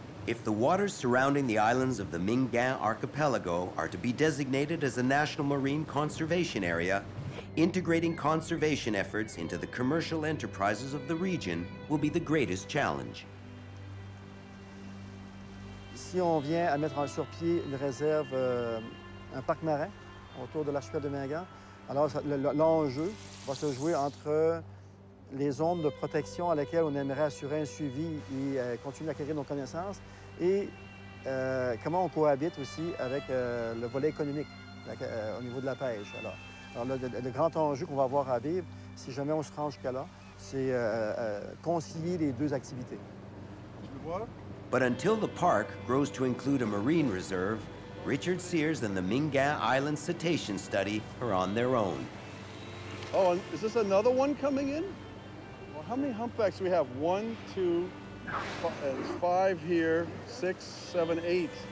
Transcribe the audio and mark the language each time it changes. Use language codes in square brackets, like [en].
[en] If the waters surrounding the islands of the Mingan Archipelago are to be designated as a National Marine Conservation Area, integrating conservation efforts into the commercial enterprises of the region will be the greatest challenge. [fr] Ici, on vient à mettre sur pied une réserve, un parc marin autour de l'archipel de Mingan. Alors, l'enjeu va se jouer entre les zones de protection à laquelle on aimerait assurer un suivi et continuer d'acquérir nos connaissances et comment on cohabite aussi avec le volet économique au niveau de la pêche. Alors là, le grand enjeu qu'on va avoir à vivre, si jamais on se rend jusqu'à là, c'est concilier les deux activités. Je le vois. [en] But until the park grows to include a marine reserve, Richard Sears and the Mingan Island Cetacean Study are on their own. Oh, and is this another one coming in? Well, how many humpbacks do we have? One, two, five here, six, seven, eight.